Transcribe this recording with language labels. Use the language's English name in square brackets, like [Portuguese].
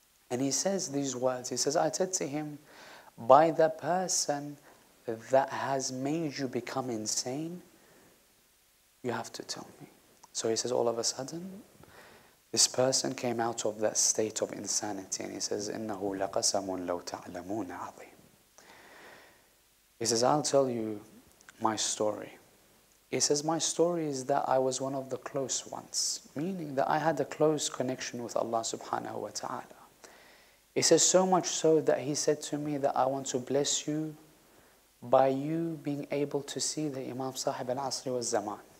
[English] And he says these words. He says, I said to him, by the person that has made you become insane, you have to tell me. So he says, all of a sudden, this person came out of that state of insanity. [Arabic] And he says, إِنَّهُ لَقَسَمٌ لَوْ تَعْلَمُونَ عَظِيمٌ. [English] He says, I'll tell you my story. He says, my story is that I was one of the close ones, meaning that I had a close connection with Allah subhanahu wa ta'ala. He says, so much so that he said to me that I want to bless you by you being able to see the Imam Sahib al-Asri wa al-Zaman.